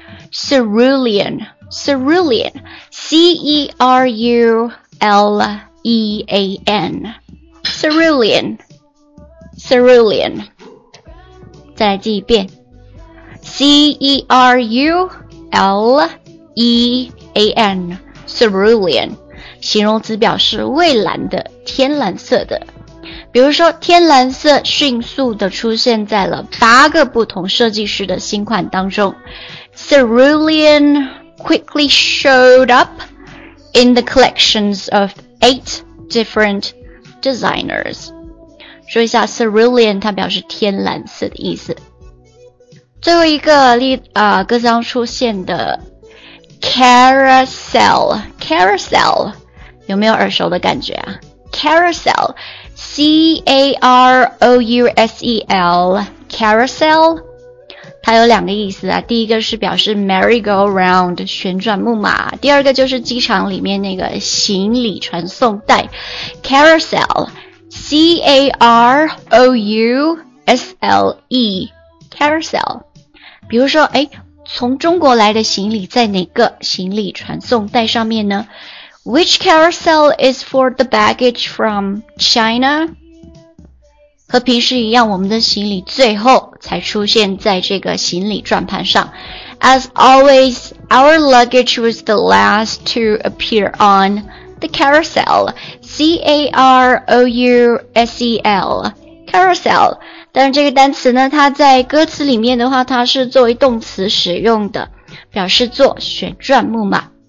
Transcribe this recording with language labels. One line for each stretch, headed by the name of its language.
Chinese: Cerulean, C-E-R-U-L-E-A-N, Cerulean, 再来记一遍 C-E-R-U-L-E-A-N, Cerulean, 形容词表示蔚蓝的、天蓝色的。比如说天蓝色迅速的出现在了八个不同设计师的新款当中。
English: Cerulean quickly showed up in the collections of 8 different designers.
Chinese: 说一下 Cerulean 它表示天蓝色的意思。最后一个歌章出现的 Carousel 有没有耳熟的感觉啊？ Carousel C-A-R-O-U-S-E-L Carousel它有两个意思啊，第一个是表示 merry-go-round 旋转木马，第二个就是机场里面那个行李传送带 Carousel C-A-R-O-U-S-L-E Carousel。比如说诶，从中国来的行李在哪个行李传送带上面呢？
English: Which carousel is for the baggage from China?
Chinese: 和平时一样，我们的行李最后才出现在这个行李转盘上。
English: As always, our luggage was the last to appear on the carousel. C-A-R-O-U-S-E-L. Carousel.
Chinese: 但是这个单词呢，它在歌词里面的话，它是作为动词使用的，表示做旋转木马。